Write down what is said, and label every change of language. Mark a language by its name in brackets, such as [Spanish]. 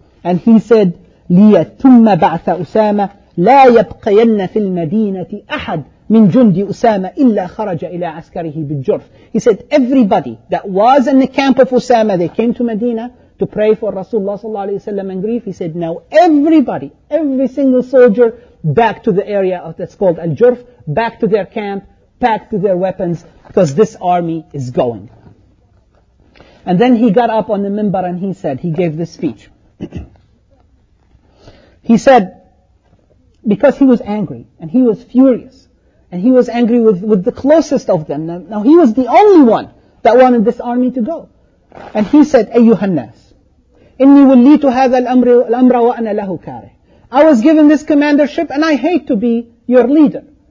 [English] And he said, [Arabic] لِيَتُمَّ بَعْثَ أُسَامَةَ لَا يَبْقَيَنَّ فِي الْمَدِينَةِ أَحَدْ مِنْ جُنْدِ أُسَامَةَ إِلَّا خَرَجَ إِلَىٰ عَسْكَرِهِ بِالْجُرْفِ. [English] He said, everybody that was in the camp of Usama, they came to Medina to pray for Rasulullah sallallahu alayhi wa sallam and grief. He said, now everybody, every single soldier, back to the area of that's called Al-Jurf, back to their camp, back to their weapons, because this army is going. And then he got up on the minbar and he said, he gave this speech. He said, because he was angry and he was furious and he was angry with the closest of them. Now he was the only one that wanted this army to go. And he said, [Arabic] أَيُّهَا النَّاسِ إِنِّي وَلِّيتُ هَذَا الْأَمْرَ وَأَنَا لَهُ كَارِهِ. [English] I was given this commandership and I hate to be your leader.